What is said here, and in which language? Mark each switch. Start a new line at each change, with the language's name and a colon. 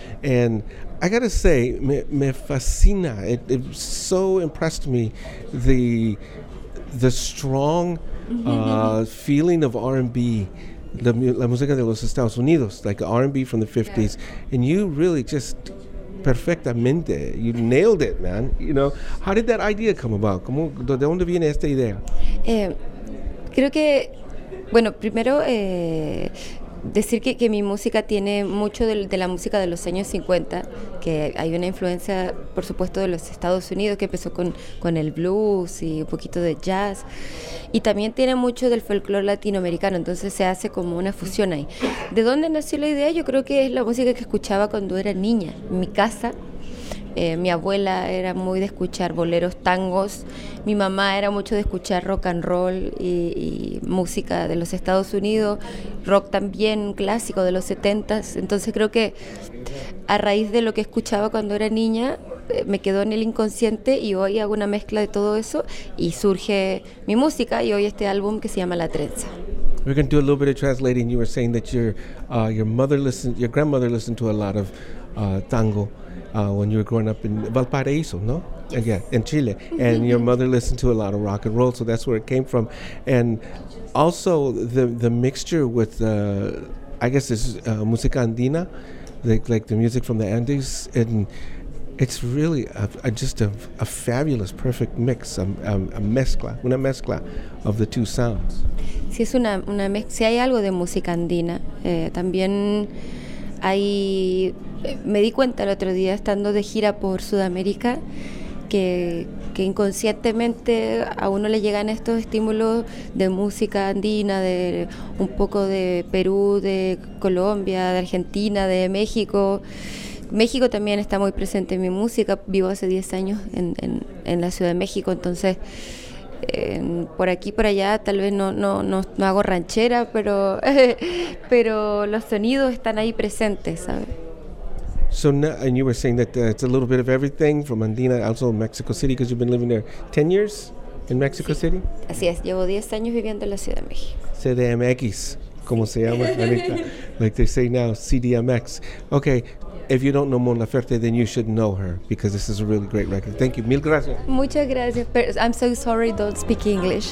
English: And I gotta say,
Spanish: me fascina,
English: it so impressed me, the strong feeling of R&B,
Spanish: la música de los Estados Unidos,
English: like R&B from the 50s. Yeah. And you really just
Spanish: perfectamente,
English: you nailed it, man. You know, how did that idea come about?
Spanish: ¿De dónde viene esta idea? Creo que, bueno, primero, decir que mi música tiene mucho de la música de los años 50, que hay una influencia, por supuesto, de los Estados Unidos, que empezó con el blues y un poquito de jazz, y también tiene mucho del folclore latinoamericano, entonces se hace como una fusión ahí. ¿De dónde nació la idea? Yo creo que es la música que escuchaba cuando era niña, en mi casa. Mi abuela era muy de escuchar boleros, tangos. Mi mamá era mucho de escuchar rock and roll y música de los Estados Unidos, rock también clásico de los 70s. Entonces creo que a raíz de lo que escuchaba cuando era niña, me quedó en el inconsciente, y hoy hago una mezcla de todo eso y surge mi música y hoy este álbum que se llama La Trenza.
English: We're going to do a little bit of translating. You were saying that your mother listened, your grandmother listened to a lot of tango. When you were growing up in Valparaíso, no? Yes. Yeah, in Chile. And your mother listened to a lot of rock and roll, so that's where it came from. And also the mixture with, I guess it's
Spanish: música andina,
English: like the music from the Andes, and it's really a fabulous, perfect mix,
Spanish: una mezcla
English: of the two sounds.
Spanish: Si es una mezcla, si hay algo de música andina, también hay... Me di cuenta el otro día, estando de gira por Sudamérica, que inconscientemente a uno le llegan estos estímulos de música andina, de un poco de Perú, de Colombia, de Argentina, de México. México también está muy presente en mi música. Vivo hace 10 años en la Ciudad de México, entonces por aquí, por allá, tal vez no hago ranchera, pero los sonidos están ahí presentes, ¿sabes?
English: So, and you were saying that it's a little bit of everything from Andina, also Mexico City, because you've been living there 10 years in Mexico City?
Spanish: Así es, llevo 10 años viviendo en la Ciudad de México. CDMX, como se llama, Anita,
English: like they say now,
Spanish: CDMX.
English: Okay, if you don't know Mon Laferte, then you should know her, because this is a really great record. Thank you,
Spanish: mil gracias. Muchas gracias,
English: but I'm so sorry, don't speak English.